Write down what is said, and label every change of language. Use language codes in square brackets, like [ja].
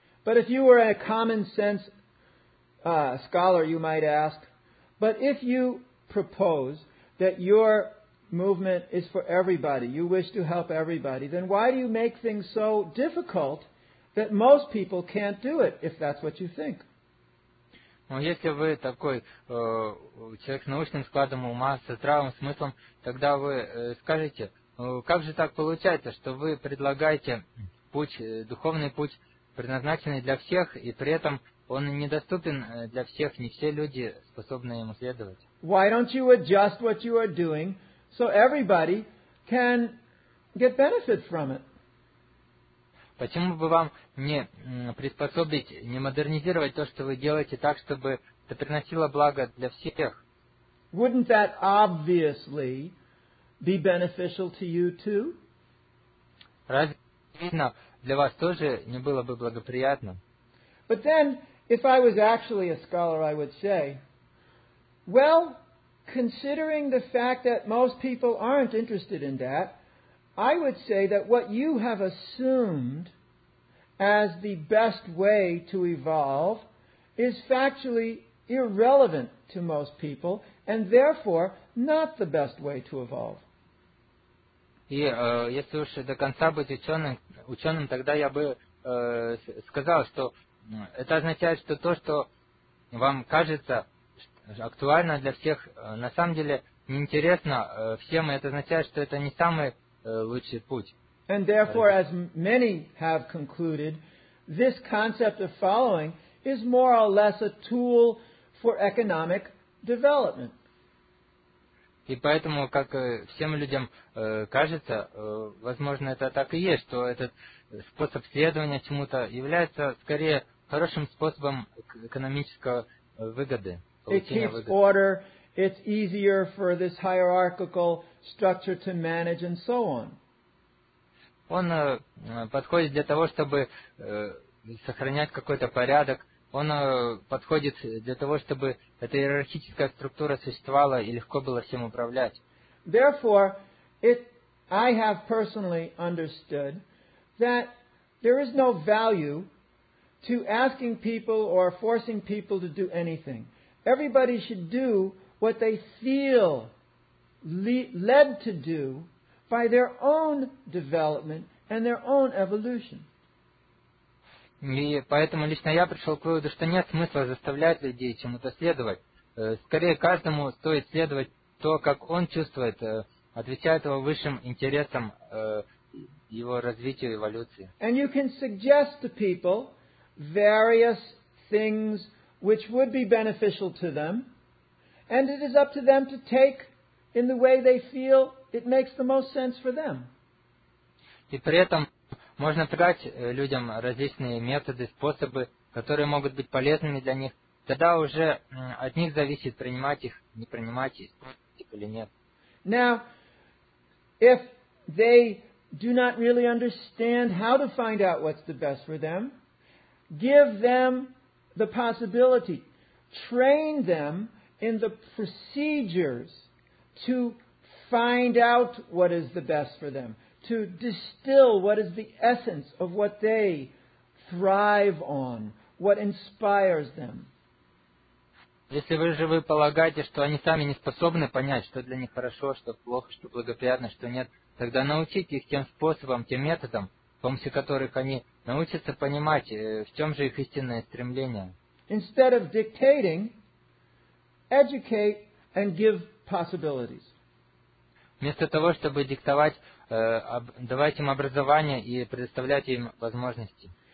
[en] But if you were a common sense scholar, you might ask, but if you propose that your movement is for everybody, you wish to help everybody, then why do you make things so difficult that most people can't do it, if that's what you think? [ru] Но если вы такой человек с научным складом ума, со здравым смыслом, тогда вы скажете, как же так получается, что вы предлагаете духовный путь, предназначенный для всех, и при этом он недоступен для всех, не все люди способны ему следовать. [en] Why don't you adjust what you are doing so everybody can get benefit from it? [ru] Почему бы вам не приспособить, не модернизировать то, что вы делаете, так, чтобы это приносило благо для всех? [en] Wouldn't that obviously be beneficial to you too? [ru] Разве для вас тоже не было бы благоприятно? [en] But then, if I was actually a scholar, I would say, well, considering the fact that most people aren't interested in that, I would say that what you have assumed as the best way to evolve is factually irrelevant to most people and therefore not the best way to evolve. [ru] И если уж до конца быть ученым, тогда я бы сказал, что это означает, что то, что вам кажется актуально для всех, на самом деле неинтересно всем, и это означает, что это не самый лучший путь. [en] And therefore, as many have concluded, this concept of following is more or less a tool for economic development. [ru] И поэтому, как всем людям кажется, возможно, это так и есть, что этот способ следования чему-то является скорее хорошим способом экономической выгоды. [en] It keeps order, it's easier for this hierarchical structure to manage and so on. [ru] Он подходит для того, чтобы сохранять какой-то порядок. Он подходит для того, чтобы эта иерархическая структура существовала и легко было всем управлять. [en] Therefore, I have personally understood that there is no value to asking people or forcing people to do anything. Everybody should do what they feel led to do by their own development and their own evolution. [ru] И поэтому лично я пришел к выводу, что нет смысла заставлять людей чему-то следовать. Скорее, каждому стоит следовать то, как он чувствует, отвечает его высшим интересам, его развитию, эволюции. [en] And you can suggest to people various things which would be beneficial to them, and it is up to them to take in the way they feel it makes the most sense for them. [ru] И при этом можно предлагать людям различные методы, способы, которые могут быть полезными для них. Тогда уже от них зависит, принимать их, не принимать, использовать их или нет. [en] Now, if they do not really understand how to find out what's the best for them, give them the possibility train them in the procedures to find out what is the best for them, to distill what is the essence of what they thrive on, what inspires them. [ru] Если вы же вы полагаете, что они сами не способны понять, что для них хорошо, что плохо, что благоприятно, что нет, тогда научите их тем способом, тем методом, с помощью которых они научатся понимать, в чем же их истинное стремление. [en] Instead of dictating, educate and give possibilities. [ru] Вместо того, чтобы диктовать, давайте им образование и предоставлять им возможности.